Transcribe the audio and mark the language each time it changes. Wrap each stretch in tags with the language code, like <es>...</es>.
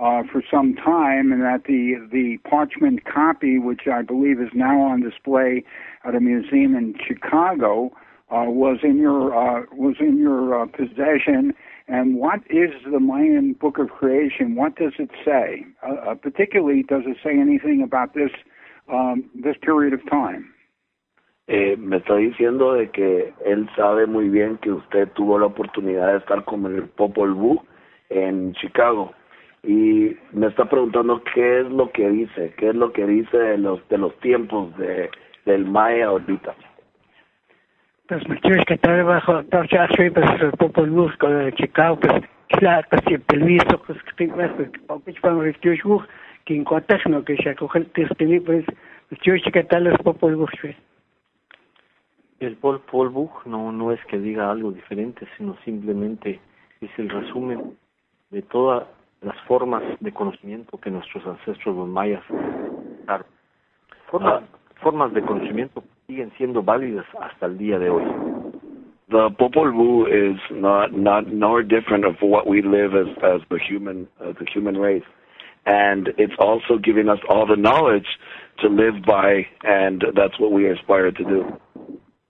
<en>for some time, and that the parchment copy, which I believe is now on display at a museum in Chicago, was in your possession. And what is the Mayan Book of Creation? What does it say? Particularly, does it say anything about this this period of time?</en> <es>Me está diciendo de que él sabe muy bien que usted tuvo la oportunidad de estar con el Popol Vuh en Chicago. Y me está preguntando qué es lo que dice de los tiempos del Maya ahorita. Pues me quieres que estar debajo, estar ya soy el Popol Vuh con el Chicago, pues claro, pues si el visto, pues que tengo más, pues para que yo me quiero yo, que en contexto, que se acoge el testimonio, pues me quieres que tal el Popol Vuh, pues. El Popol Vuh no es que diga algo diferente, sino simplemente es el resumen de todas las formas de conocimiento que nuestros ancestros los mayas dieron. Formas de conocimiento siguen siendo válidas hasta el día de hoy.</es> <en>The Popol Vuh is not different of what we live as the human race, and it's also giving us all the knowledge to live by, and that's what we aspire to do.</en>